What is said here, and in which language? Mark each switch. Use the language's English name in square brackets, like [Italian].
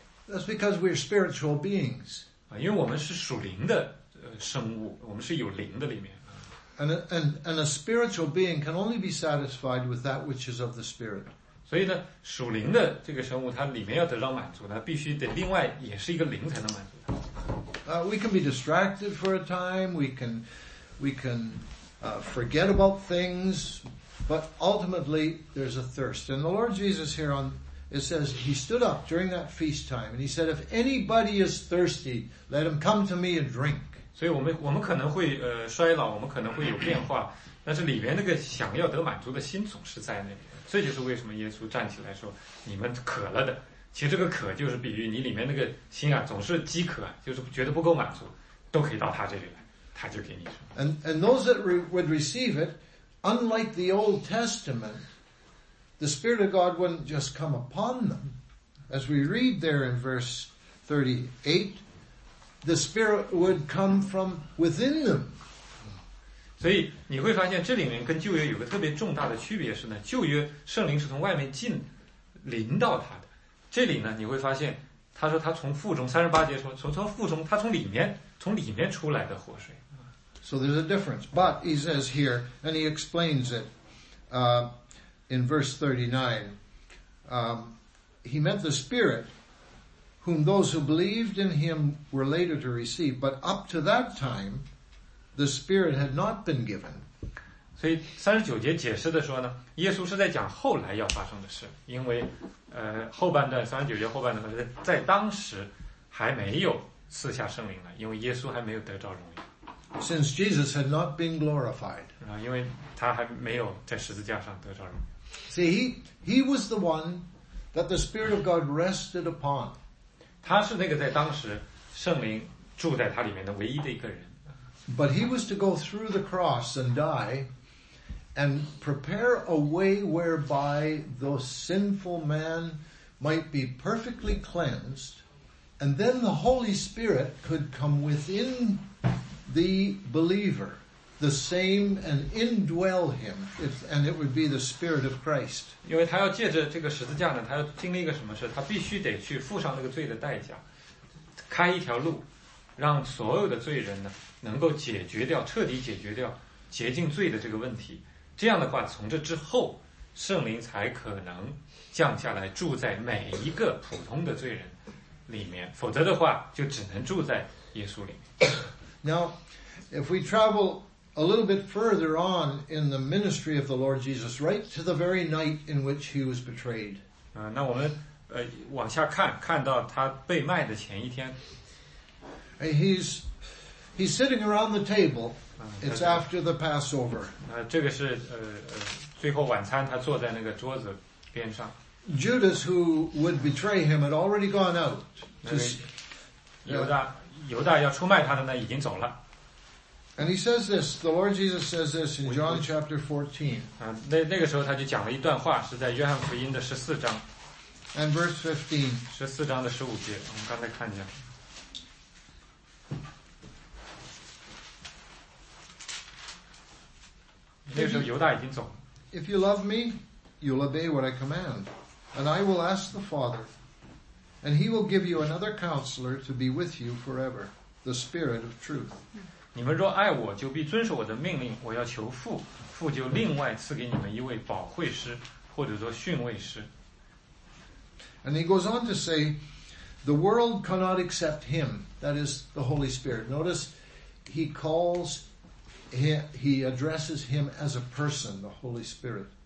[English] That's because we're spiritual beings. [Chinese] 因为我们是属灵的生物，我们是有灵的里面。 [English] And a spiritual being can only be satisfied with that which is of the spirit. [Chinese] 所以呢，属灵的这个生物，它里面要得到满足，它必须得另外也是一个灵才能满足它。 [English] We can be distracted for a time. We can forget about things, but ultimately there's a thirst. And the Lord Jesus here on it says he stood up during that feast time and he said, "If anybody is thirsty, let him come to me and drink." [Chinese] 所以我们可能会衰老，我们可能会有变化，但是里面那个想要得满足的心总是在那里。这就是为什么耶稣站起来说，你们渴了的。其实这个渴就是比喻你里面那个心啊，总是饥渴，就是觉得不够满足，都可以到他这里来，他就给你说。 [English] And those that would receive it, unlike the Old Testament, the Spirit of God wouldn't just come upon them. As we read there in verse 38, the Spirit would come from within them. [Chinese] 所以你会发现这里面跟旧约有个特别重大的区别是呢，旧约圣灵是从外面进，临到他的。这里呢，你会发现，他说他从腹中，三十八节说，从腹中，他从里面出来的活水。 [English] So there's a difference, but he says here, and he explains it, in verse 39, he meant the Spirit, whom those who believed in him were later to receive, but up to that time, the Spirit had not been given. [Chinese] 所以三十九节解释的说呢，耶稣是在讲后来要发生的事，因为。后半段三十九节后半段在当时还没有赐下圣灵了，因为耶稣还没有得着荣耀。 [English] Since Jesus had not been glorified, [Chinese] 因为他还没有在十字架上得着荣耀。 [English] See, he was the one that the Spirit of God rested upon. [Chinese] 他是那个在当时圣灵住在他里面的唯一的一个人。 [English] But he was to go through the cross and die. And prepare a way whereby the sinful man might be perfectly cleansed, and then the Holy Spirit could come within the believer. the same and indwell him, and it would be the Spirit of Christ. [Chinese] 因为他要借着这个十字架呢，他要经历一个什么事？他必须得去付上那个罪的代价，开一条路，让所有的罪人呢能够解决掉、彻底解决掉洁净罪的这个问题。这样的话，从这之后，圣灵才可能降下来住在每一个普通的罪人里面，否则的话，就只能住在耶稣里面。 [English] Now, if we travel a little bit further on in the ministry of the Lord Jesus, right to the very night in which he was betrayed. [Chinese] 那我们往下看，看到他被卖的前一天。 [English] He's sitting around the table. It's after the Passover. [Chinese] 这个是最后晚餐，他坐在那个桌子边上。 [English] Judas, who would betray him, had already gone out. [Chinese] 犹大要出卖他的呢，已经走了。 [English] And he says this, the Lord Jesus says this in John chapter 14. [Chinese] 那个时候他就讲了一段话，是在约翰福音的十四章。 [English] And verse 15. [Chinese] 十四章的十五节，我们刚才看见。那个时候犹大已经走了。 [English] If you love me, you'll obey what I command. And I will ask the Father. And he will give you another counselor to be with you forever, the Spirit of Truth. [Chinese] 你们若爱我，就必遵守我的命令。我要求父，父就另外赐给你们一位保惠师，或者说训慰师。 [English] And he goes on to say, the world cannot accept him, that is the Holy Spirit. Notice, he addresses him as a person, the Holy Spirit.